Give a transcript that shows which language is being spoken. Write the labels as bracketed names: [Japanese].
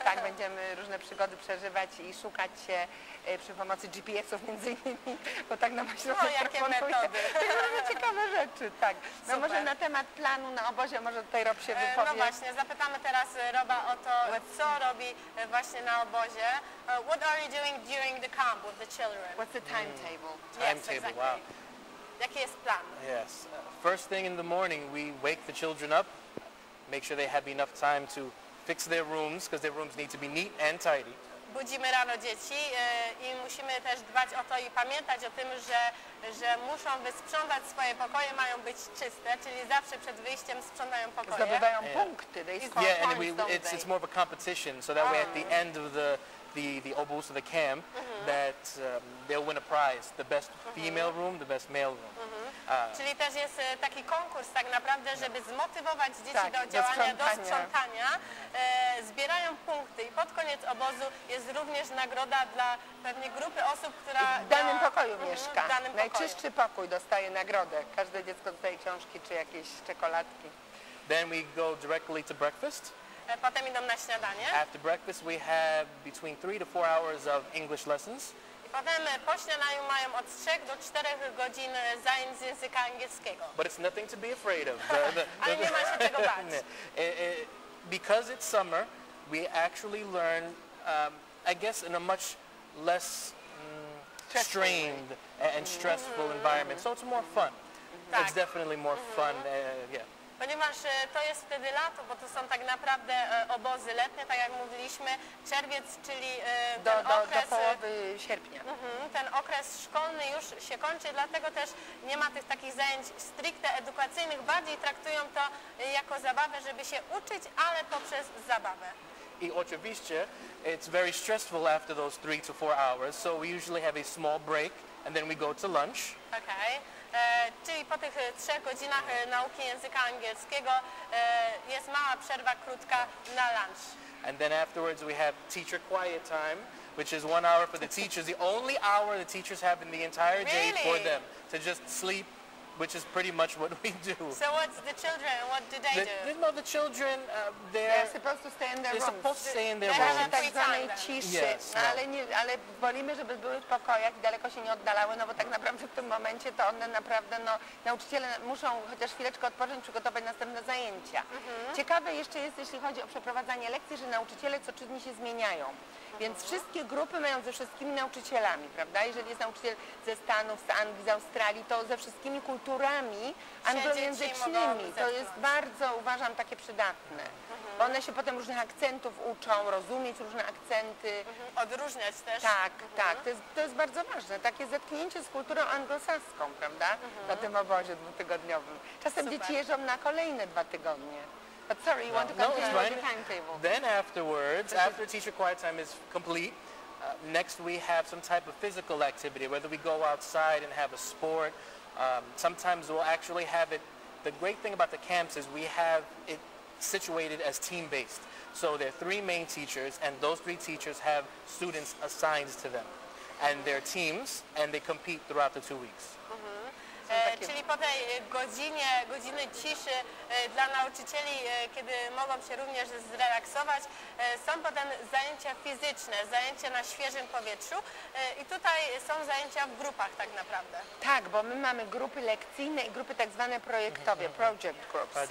[Polish] tak, będziemy różne przygody przeżywać i szukać się przy pomocy GPS-ów między innymi, bo tak na myśl sobie jakie metody. Tak, no, ciekawe rzeczy, tak. No super. Może na temat planu na obozie, może tutaj Rob się wypowie. No właśnie, zapytamy teraz Roba o to, co robi właśnie na obozie. [English] What are you doing during the camp with the children? What's the timetable? Timetable, yes, exactly. [Polish] Wow. Jaki jest plan? [English] Yes. First thing in the morning, we wake the children up, make sure they have enough time to fix their rooms, because their rooms need to be neat and tidy. [Polish] Budzimy rano dzieci i musimy też dbać o to i pamiętać o tym, że muszą wysprzątać swoje pokoje, mają być czyste, czyli zawsze przed wyjściem sprzątają pokoje. Zdobywają punkty, [English] they score it's more of a competition, so that way at the end of the obóz, the camp, that they'll win a prize, the best female room, the best male room. [Polish] Czyli też jest taki konkurs tak naprawdę, żeby zmotywować dzieci do działania, do sprzątania. Zbierają punkty i pod koniec obozu jest również nagroda dla pewnej grupy osób, która w danym pokoju mieszka. Najczystszy pokój dostaje nagrodę. Każde dziecko dostaje książki czy jakieś czekoladki. [English] Then we go directly to breakfast. [Polish] Potem idą na śniadanie. [English] After breakfast we have between 3 to 4 hours of English lessons. [Polish] Potem po śniadaniu mają od 3 do 4 godzin zajęć z języka angielskiego. [English] But it's nothing to be afraid of. [Polish] Ale nie ma się czego bać. [English] Because it's summer, we actually learn, I guess, in a much less strained and stressful environment. So it's more fun. [Polish] Tak. [English] It's definitely more fun. [Polish] Ponieważ to jest wtedy lato, bo to są tak naprawdę obozy letnie, tak jak mówiliśmy, czerwiec, czyli ten okres... Do połowy sierpnia. Ten okres szkolny już się kończy, dlatego też nie ma tych takich zajęć stricte edukacyjnych, bardziej traktują to jako zabawę, żeby się uczyć, ale poprzez zabawę. I oczywiście, [English] it's very stressful after those 3 to 4 hours, so we usually have a small break and then we go to lunch. Okay. [Polish] Czyli po tych 3 godzinach nauki języka angielskiego jest mała przerwa krótka na lunch. [English] And then afterwards we have teacher quiet time, which is 1 hour for the teachers, the only hour the teachers have in the entire day for them to just sleep, which is pretty much what we do. So what's the children, what do they do? No, the children, they're supposed to stay in their rooms. They're supposed to stay in their rooms. Yes, no. [Polish] Ale, nie, ale wolimy, żeby były w pokojach i daleko się nie oddalały, no bo tak naprawdę w tym momencie to one naprawdę, no, nauczyciele muszą chociaż chwileczkę odpocząć, przygotować następne zajęcia. Mhm. Ciekawe jeszcze jest, jeśli chodzi o przeprowadzanie lekcji, że nauczyciele co 3 dni się zmieniają. Więc wszystkie grupy mają ze wszystkimi nauczycielami, prawda? Jeżeli jest nauczyciel ze Stanów, z Anglii, z Australii, to ze wszystkimi kulturami anglojęzycznymi. To jest bardzo, uważam, takie przydatne. Bo one się potem różnych akcentów uczą, rozumieć różne akcenty. Odróżniać też. Tak, tak. To jest bardzo ważne. Takie zetknięcie z kulturą anglosaską, prawda? Na tym obozie dwutygodniowym. Czasem dzieci jeżdżą na kolejne 2 tygodnie. [English] But sorry, you want to continue with your timetable. Then afterwards, after teacher quiet time is complete, next we have some type of physical activity, whether we go outside and have a sport. Sometimes we'll actually have it. The great thing about the camps is we have it situated as team-based. So there are 3 main teachers, and those 3 teachers have students assigned to them. And they're teams, and they compete throughout the 2 weeks. [Polish] Czyli po tej godziny ciszy dla nauczycieli, kiedy mogą się również zrelaksować, są potem zajęcia fizyczne, zajęcia na świeżym powietrzu i tutaj są zajęcia w grupach tak naprawdę. Tak, bo my mamy grupy lekcyjne i grupy tak zwane projektowe, [English] project groups.